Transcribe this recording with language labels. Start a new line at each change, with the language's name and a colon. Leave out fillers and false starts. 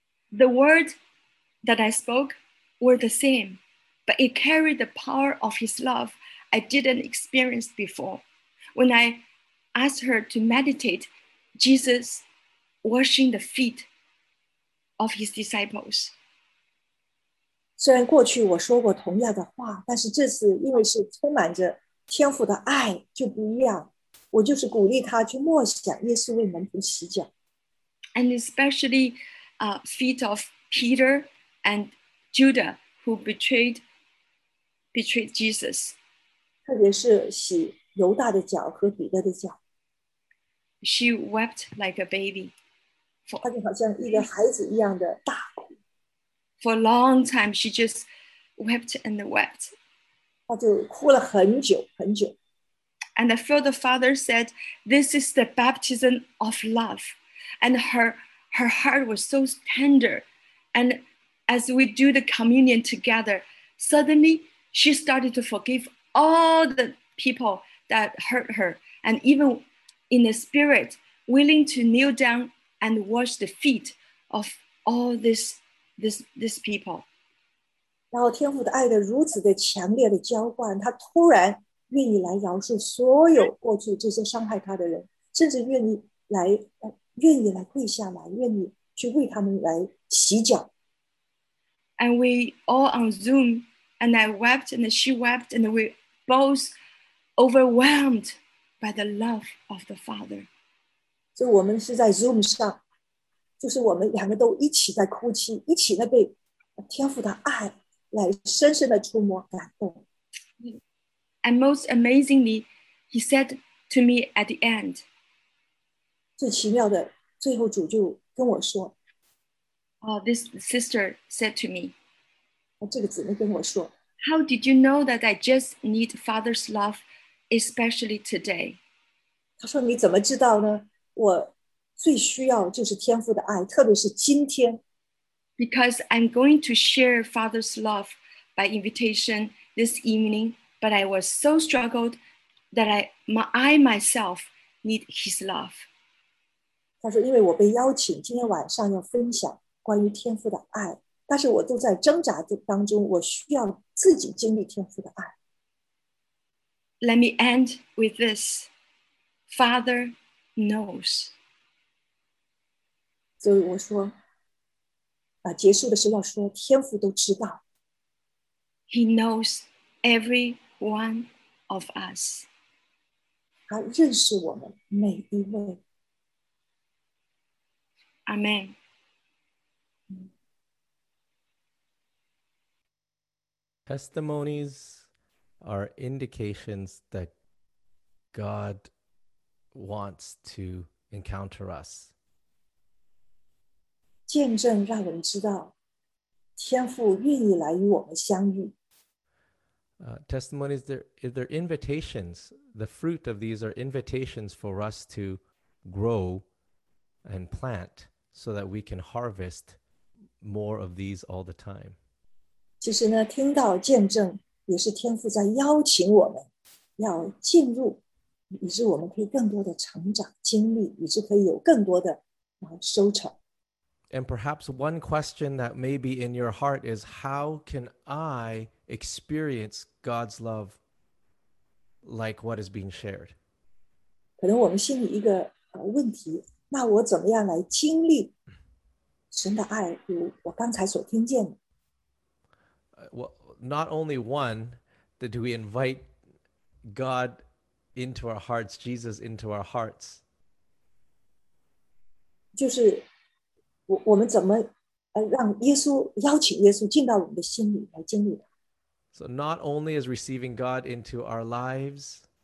English: The words that I spoke were the same, but it carried the power of His love I didn't experience before. When I asked her to meditate Jesus washing the feet of his disciples.
Chinese: 虽然过去我说过同样的话，但是这次因为是充满着天父的爱就不一样。我就是鼓励他去默想耶稣为门徒洗脚。
English: And especially, feet of Peter and Judah who betrayed Jesus.
Chinese: 特别是洗犹大的脚和彼得的脚。
English: She wept like a baby.
Chinese: 她就好像一个孩子一样的大哭。
English: For a long time, she just wept and wept.
Chinese: 她就哭了很久很久。
English: And the further father said, this is the baptism of love. And her heart was so tender. And as we do the communion together, suddenly she started to forgive all the people that hurt her. And even in the spirit, willing to kneel down and wash the feet of all this people.
Chinese: 然后天父的爱的如此的强烈的浇灌，他突然愿意来饶恕所有过去这些伤害他的人，甚至愿意来跪下来，愿意去为他们来洗脚。
English: And we all on Zoom, and I wept, and she wept, and we both overwhelmed by the love of the Father.
Chinese: 所以我们是在 Zoom 上，就是我们两个都一起在哭泣，一起在被天父的爱来深深的触摸感动。
English: And most amazingly, he said to me at the end,
Chinese: 最奇妙的，最后主就跟我说，
English: Oh, this sister said to me,
Chinese: 这个姊妹跟我说，
English: How did you know that I just need Father's love, especially today?
Chinese: 她说你怎么知道呢？我最需要就是天父的爱，特别是今天。
English: Because I'm going to share Father's love by invitation this evening. But I was so struggled that I myself need his love.
Chinese: 他说因为我被邀请今天晚上要分享关于天父的爱，但是我都在挣扎当中，我需要自己经历天父的爱。
English: Let me end with this. Father knows.
Chinese: 所以我说，结束的时候要说，天父都知道。
English: He knows everyOne of us.
Chinese: 他认识我们每一位。
English: Amen. Testimonies are indications that God wants to encounter us.
Chinese: 见证让人知道，天父愿意来与我们相遇。
English: Testimonies, they're invitations. The fruit of these are invitations for us to grow and plant so that we can harvest more of these all the time.
Chinese: 其实呢，听到见证也是天父在邀请我们要进入，以致我们可以更多的成长经历，以致可以有更多的收成。
English: And perhaps one question that may be in your heart is, how can I experience God's love like what is being shared?
Chinese: 可能我们心里一个问题，那我怎么样来经历神的爱，如我刚才所听见的。
English: Well, not only one, that we invite God into our hearts, Jesus into our hearts.
Chinese: 就是我们怎么让耶稣邀请耶稣进到我们的心里来经历。
English: So not only is receiving God into our lives,